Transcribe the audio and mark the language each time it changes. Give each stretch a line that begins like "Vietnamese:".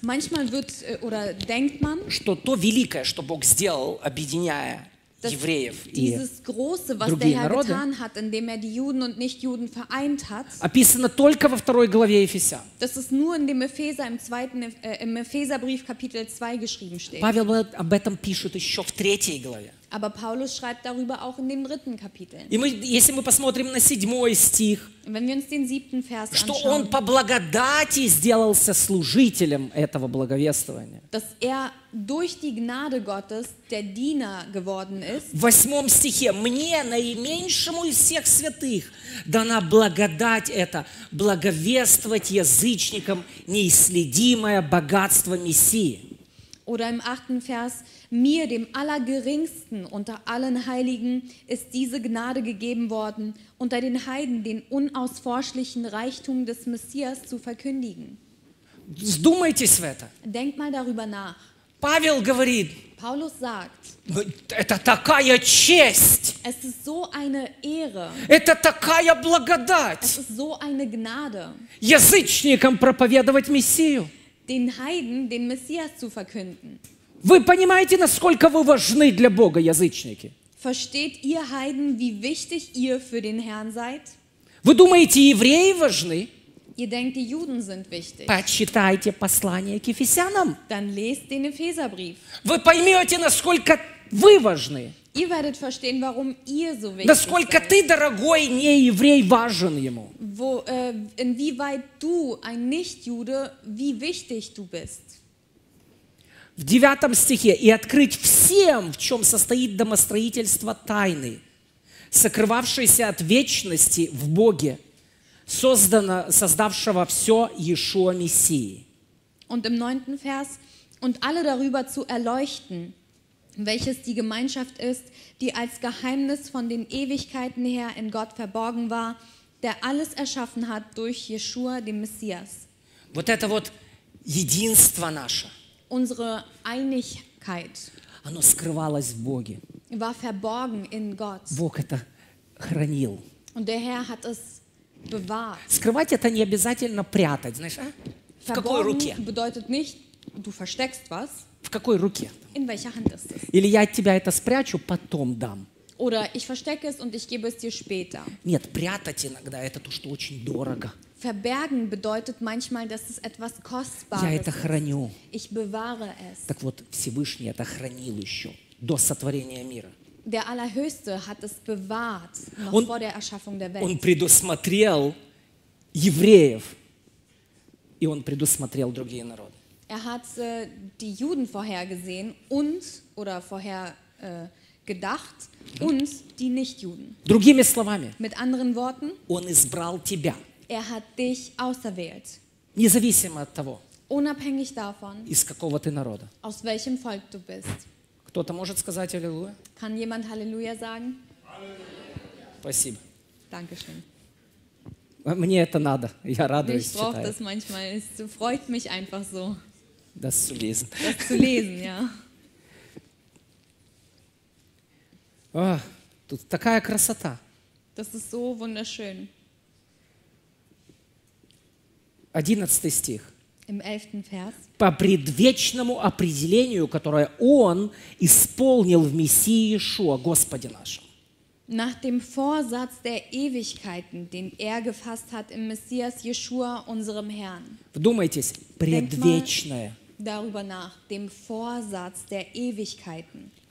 German: Manchmal wird, oder denkt man,
Russian: что то великое, что Бог сделал, объединяя евреев и
German: große,
Russian: другие народы,
German: hat, hat,
Russian: описано только во второй главе Ефесян.
German: Das ist nur in dem Epheser, im zweiten, im Epheserbrief, Kapitel 2 geschrieben steht.
Russian: Павел об этом пишет еще в третьей главе.
German: Aber Paulus schreibt darüber auch in dem dritten Kapitel.
Russian: И мы, если мы посмотрим на седьмой стих,
German: Wenn wir uns den siebten Vers
Russian: что он по благодати сделался служителем этого благовествования,
German: dass er durch die Gnade Gottes der Diener geworden ist,
Russian: в восьмом стихе, мне, наименьшему из всех святых, дана благодать эта, благовествовать язычникам неисследимое богатство Мессии.
German: Oder im achten Vers, Mir, dem Allergeringsten unter allen Heiligen, ist diese Gnade gegeben worden, unter den Heiden den unausforschlichen Reichtum des Messias zu verkündigen.
Russian: Вдумайтесь в это.
German: Denkt mal darüber nach.
Russian: Павел говорит,
German: Paulus sagt,
Russian: это такая честь.
German: Es ist so eine Ehre.
Russian: Это такая благодать.
German: Es ist so eine Gnade.
Russian: Язычникам проповедовать Мессию.
German: Den Heiden den Messias zu verkünden.
Russian: Вы понимаете, насколько вы важны для Бога, язычники?
German: Versteht ihr Heiden, wie wichtig ihr für den Herrn seid?
Russian: Вы думаете, евреи важны?
German: Ihr denkt, die Juden sind wichtig.
Russian: Почитайте послание к Ефесянам.
German: Dann lest den Epheserbrief.
Russian: Вы поймете, насколько вы важны.
German: Ihr werdet verstehen, warum ihr so wichtig
Russian: Насколько
German: seid.
Russian: Ты, дорогой нееврей, важен ему.
German: Wo, inwieweit du, ein Nichtjude, wie wichtig du bist.
Russian: В девятом стихе «И открыть всем, в чем состоит домостроительство тайны, сокрывавшейся от вечности в Боге, создавшего все Иешуа Мессии».
German: Und im neunten Vers «Und alle darüber zu erleuchten, welches die Gemeinschaft ist, die als Geheimnis von den Ewigkeiten her in Gott verborgen war, der alles erschaffen hat durch Иешуа, den Messias».
Russian: Вот это вот единство наше.
German: Unsere Einigkeit
Russian: Оно скрывалось в Боге.
German: War verborgen in Gott.
Russian: Бог это хранил.
German: Und der Herr hat es bewahrt.
Russian: Скрывать это не обязательно прятать, знаешь, а? В какой руке?
German: Bedeutet nicht, du versteckst was.
Russian: В какой руке?
German: In welcher Hand ist es?
Russian: Или я от тебя это спрячу, потом дам.
German: Oder ich verstecke es und ich gebe es dir später.
Russian: Нет, прятать иногда это то, что очень дорого.
German: Verbergen bedeutet manchmal, dass es etwas Kostbares ist. Ich bewahre es.
Russian: Так вот, Всевышний это хранил еще до сотворения мира.
German: Der Allerhöchste hat es bewahrt noch vor der Erschaffung der Welt.
Russian: Он предусмотрел евреев, и он предусмотрел другие народы.
German: Er hat die Juden vorhergesehen und oder vorher gedacht und die Nichtjuden.
Russian: Другими словами.
German: Mit anderen Worten.
Russian: Он избрал тебя.
German: Er hat dich auserwählt.
Russian: Независимо от того.
German: Unabhängig davon.
Russian: Из какого ты народа.
German: Aus welchem Volk du bist.
Russian: Кто-то может сказать Аллилуйя?
German: Kann jemand Halleluja sagen?
Russian: Спасибо.
German: Dankeschön.
Russian: Мне это надо. Я радуюсь, читаю.
German: Ich brauche das manchmal. Es freut mich einfach so. Das zu lesen. Das zu lesen, ja.
Russian: Oh, тут такая красота.
German: Das ist so wunderschön.
Russian: 11 стих.
German: Im 11. Vers.
Russian: По предвечному определению, которое Он исполнил в Мессии Иешуа, Господе нашем.
German: Nach dem Vorsatz der Ewigkeiten, den Er gefasst hat im Messias Jeshua, unserem Herrn.
Russian: Вдумайтесь, предвечное.
German: Darüber nach, dem Vorsatz der Ewigkeiten.